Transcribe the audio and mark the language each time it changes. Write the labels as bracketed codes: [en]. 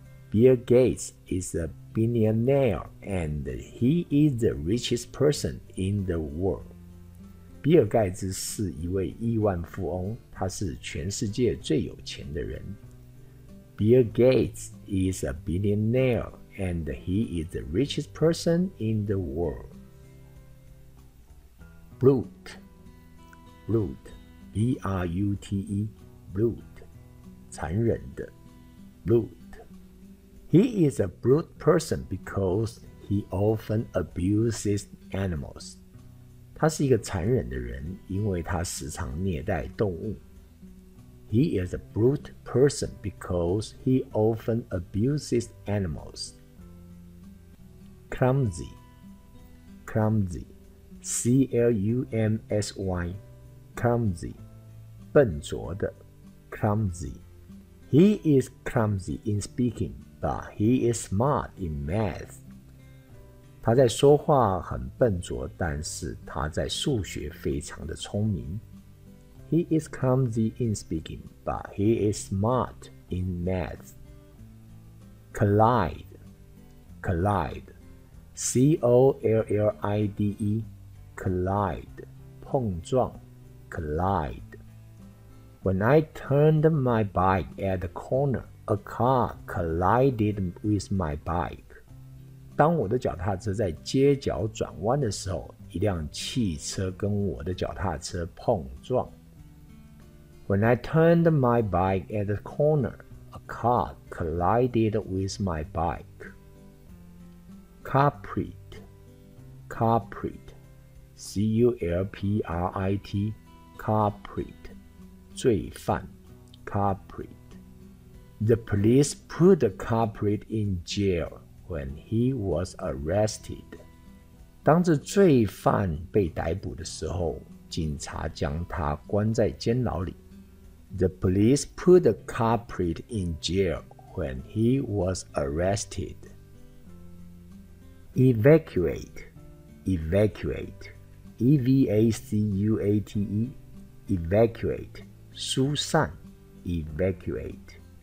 [en] Bill Gates is a billionaire and he is the richest person in the world. [zh] 比尔盖茨是一位亿万富翁，他是全世界最有钱的人。 [en] Bill Gates is a billionaire and he is the richest person in the world. Brute, brute, B-R-U-T-E, brute, 残忍的 brute. He is a brute person because he often abuses animals. [zh] 他是一个残忍的人，因为他时常虐待动物。 [en] He is a brute person because he often abuses animals. Clumsy, clumsy. C-L-U-M-S-Y Clumsy 笨拙的 Clumsy He is clumsy in speaking But he is smart in math [zh] 他在说话很笨拙但是他在数学非常的聪明 [en] He is clumsy in speaking But he is smart in math Collide Collide C-O-L-L-I-D-eCollide, 碰撞 collide. When I turned my bike at the corner, a car collided with my bike. [zh] 当我的脚踏车在街角转弯的时候，一辆汽车跟我的脚踏车碰撞。 [en] When I turned my bike at the corner, a car collided with my bike. Culprit, culprit. C-U-L-P-R-I-T Culprit 罪犯 Culprit The police put the culprit in jail when he was arrested [zh] 当这罪犯被逮捕的时候警察将他关在监牢里 [en] The police put the culprit in jail when he was arrested Evacuate Evacuate E-V-A-C-U-A-T-E Evacuate 疏散 Evacuate